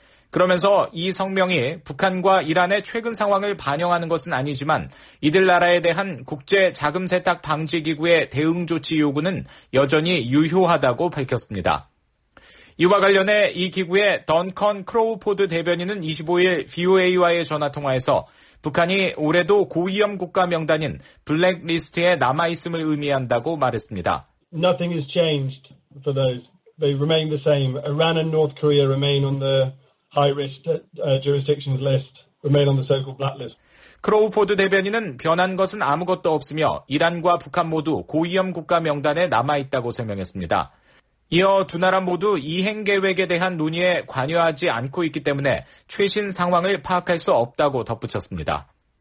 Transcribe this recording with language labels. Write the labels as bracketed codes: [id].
[ko] 그러면서 이 성명이 북한과 이란의 최근 상황을 반영하는 것은 아니지만 이들 나라에 대한 국제 자금 세탁 방지 기구의 대응 조치 요구는 여전히 유효하다고 밝혔습니다. 이와 관련해 이 기구의 던컨 크로우포드 대변인은 25일 VOA와의 전화통화에서 북한이 올해도 고위험 국가 명단인 블랙리스트에 남아있음을 의미한다고 말했습니다. [en] Nothing has changed for those. They remain the same. Iran and North Korea remain on the high-risk jurisdictions list, remain on the so-called black list. [ko] 크로우포드 대변인은 변한 것은 아무것도 없으며 이란과 북한 모두 고위험 국가 명단에 남아있다고 설명했습니다. 이어 두 나라 모두 이행 계획에 대한 논의에 관여하지 않고 있기 때문에 최신 상황을 파악할 수 없다고 덧붙였습니다.